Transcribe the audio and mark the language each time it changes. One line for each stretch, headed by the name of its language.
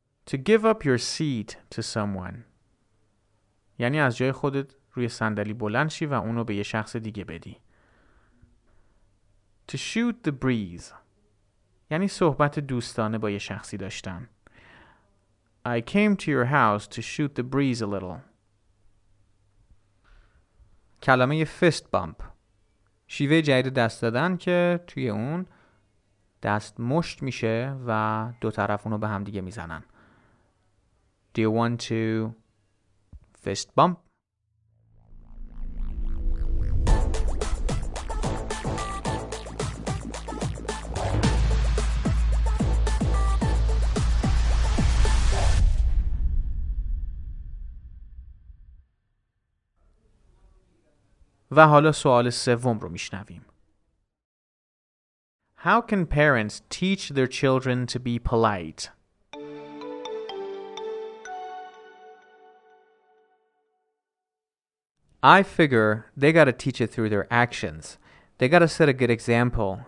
English: To give up your seat to someone.
Persian: یعنی از جای خودت روی صندلی بلند شی و اونو به یه شخص دیگه بدی.
English: To shoot the breeze.
Persian: یعنی صحبت دوستانه با یه شخصی داشتن.
English: I came to your house to shoot the breeze a little.
Persian: کلمه fist bump. شیوه جدید دست دادن که توی اون دست مشت میشه و دو طرف اونو به هم دیگه میزنن.
English: Do you want to fist bump?
Persian: و حالا سوال سوم رو میشنویم.
English: How can parents teach their children to be polite? I figure they gotta teach it through their actions. They gotta set a good example.